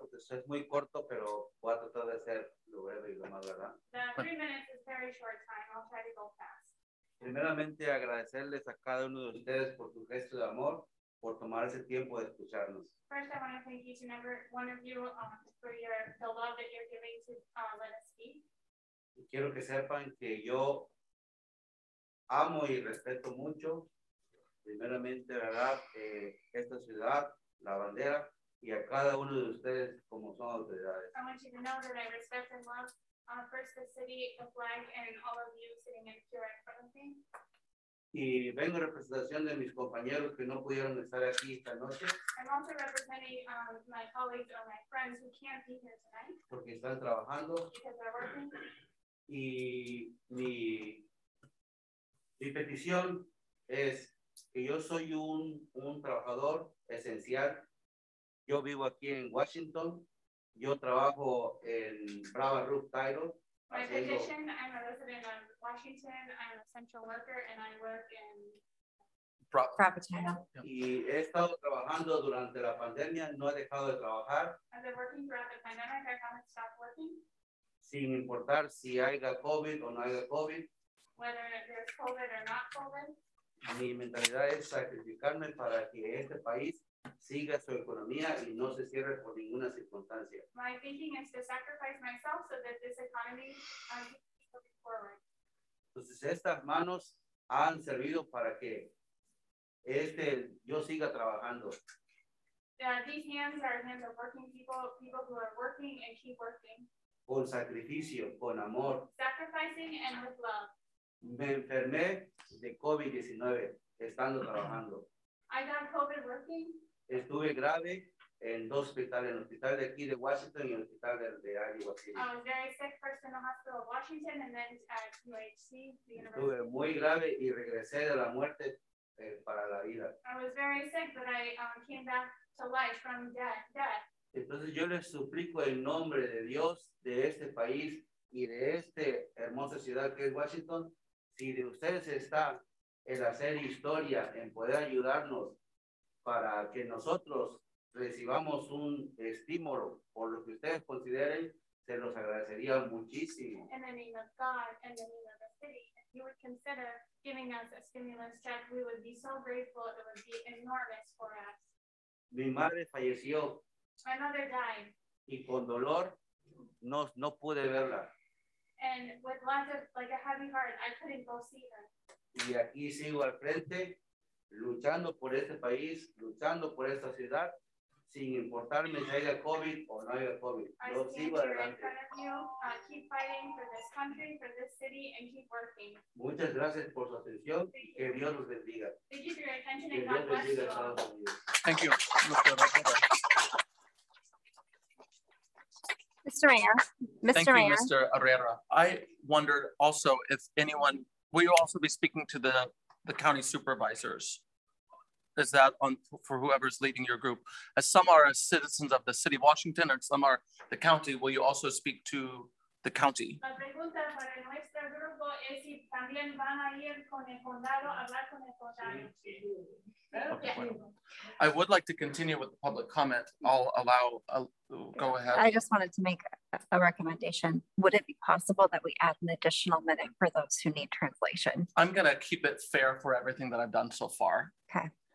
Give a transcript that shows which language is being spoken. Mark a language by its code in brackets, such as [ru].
[es] Porque eso es muy corto, pero voy a tratar de hacer lo breve y lo más, ¿verdad? [en] The 3 minutes is very short time. I'll try to go fast. [es] Primeramente, agradecerles a cada uno de ustedes por su gesto de amor, por tomar ese tiempo de escucharnos. [en] First, I want to thank each and every one of you for the love that you're giving to let us speak. [es] Y quiero que sepan que yo amo y respeto mucho, primeramente, ¿verdad? Esta ciudad, la bandera, y a cada uno de ustedes como son autoridades. [en] I want you to know that I respect and love first the city, the flag, and all of you sitting in here in front of me. [es] Y vengo en representación de mis compañeros que no pudieron estar aquí esta noche. [en] I'm also representing my colleagues or my friends who can't be here tonight. [es] Porque están trabajando. [en] Because they're working. [es] Y mi petición es que yo soy un trabajador esencial. Yo vivo aquí en Washington. Yo trabajo en Brava Roof Title. [en] My petition, I'm a resident of Washington. I'm a central worker and I work in Brava Title. [es] Y he estado trabajando durante la pandemia. No he dejado de trabajar. [en] As I'm working throughout the pandemic, I haven't stopped working. [es] Sin importar si haya COVID o no haya COVID. [en] Whether there's COVID or not COVID. [es] Mi mentalidad es sacrificarme para que este país siga su economía y no se cierre por ninguna circunstancia. [en] My thinking is to sacrifice myself so that this economy moving forward. [es] Entonces estas manos han servido para que yo siga trabajando. [en] These hands are hands of working people who are working and keep working. [es] Con sacrificio, con amor. [en] Sacrificing and with love. [es] Me enfermé de COVID-19 estando trabajando. [en] I got COVID working. [es] Estuve grave en dos hospitales, en el hospital de aquí de Washington y el hospital de Iowa City. [en] I was very sick first in the hospital of Washington and then at UHC, the university. [es] Estuve muy grave y regresé de la muerte para la vida. [en] I was very sick, but I came back to life from death. [es] Entonces yo les suplico en nombre de Dios de este país y de esta hermosa ciudad que es Washington, si de ustedes está el hacer historia, en poder ayudarnos para que nosotros recibamos un estímulo por lo que ustedes consideren, se los agradecería muchísimo. [en] In the name of God, in the name of the city, if you would consider giving us a stimulus check, we would be so grateful, it would be enormous for us. [es] Mi madre falleció. [en] My mother died. [es] Y con dolor, no pude verla. [en] And with lots of, like a heavy heart, I couldn't go see her. [es] Y aquí sigo al frente, luchando por este país, luchando por esta ciudad, sin importarme si haya COVID o no haya COVID. Yo sigo adelante. [en] Keep fighting for this country, for this city, and keep working. [es] Muchas gracias por su atención. Que Dios los bendiga. [en] Thank you for your attention [es] que [en] and God bless you. Thank you. Mr. Mayor. Thank you, Mr. Herrera. I wondered also if anyone, will you also be speaking to the county supervisors? Is that on for whoever's leading your group? As some are citizens of the city of Washington and some are the county, will you also speak to the county? [es] La pregunta para nuestro grupo es si también van a ir con el condado a hablar con el condado. Okay, bueno. [en] I would like to continue with the public comment. I'll allow, go ahead. I just wanted to make a recommendation. Would it be possible that we add an additional minute for those who need translation? I'm going to keep it fair for everything that I've done so far. Okay.